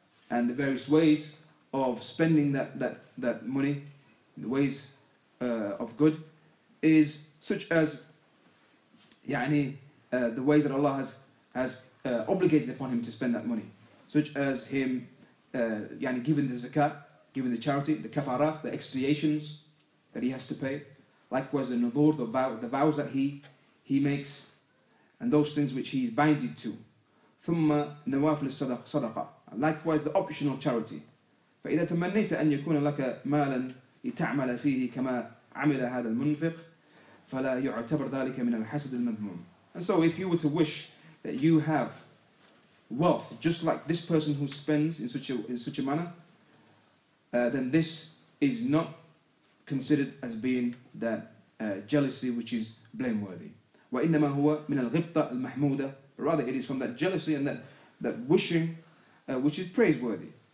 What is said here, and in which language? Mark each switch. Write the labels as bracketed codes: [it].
[en] And the various ways of spending that money, the ways of good, is such as the ways that Allah has obligated upon him to spend that money, such as him giving the zakat, giving the charity, the kafara, the expiations that he has to pay, likewise the nadur, the vows that he makes, and those things which he is binded to. [ar] Thumma nawafil sadaqa, [en] likewise the optional charity. [ar] فإذا تمنيت أن يكون لك مالا لتعمل فيه كما عمل هذا المنفق فلا يعتبر ذلك من الحسد المذموم. [en] And so if you were to wish that you have wealth just like this person who spends in such a manner, then this is not considered as being that jealousy which is blameworthy. [ar] وإنما هو من الغبطة المحمودة, [en] rather it is from that jealousy and that wishing which is praiseworthy.